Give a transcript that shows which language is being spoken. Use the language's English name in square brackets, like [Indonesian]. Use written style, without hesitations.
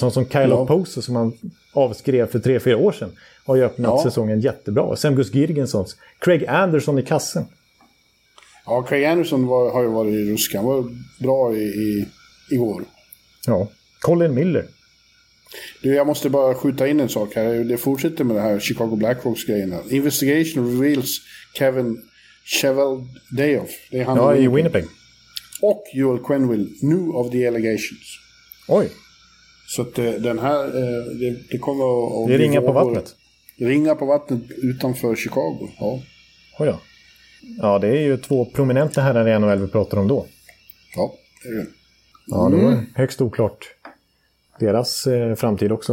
[Swedish] En sån som Kyle Poso, som han avskrev för 3-4 år sedan, har ju öppnat säsongen jättebra. Sam Gus Girgensons, Craig Anderson i kassen. Ja, Craig Anderson har ju varit i ruskan. Han var bra i år. Ja, Colin Miller. Du, jag måste bara skjuta in en sak här. Det fortsätter med det här Chicago Blackhawks-grejerna. [English] Investigation reveals Kevin Cheveldayoff. [Swedish] Det är han, ja, i Winnipeg. [English] Och Joel Quenneville knew of the allegations. [Swedish] Oj. Så att den här, det kommer att... Det ringar på vattnet. Ringar på vattnet utanför Chicago, ja. Oj då. Ja, det är ju två prominenta herrar i NHL vi pratar om då. Ja, det är det. Ja, det var högst oklart deras framtid också.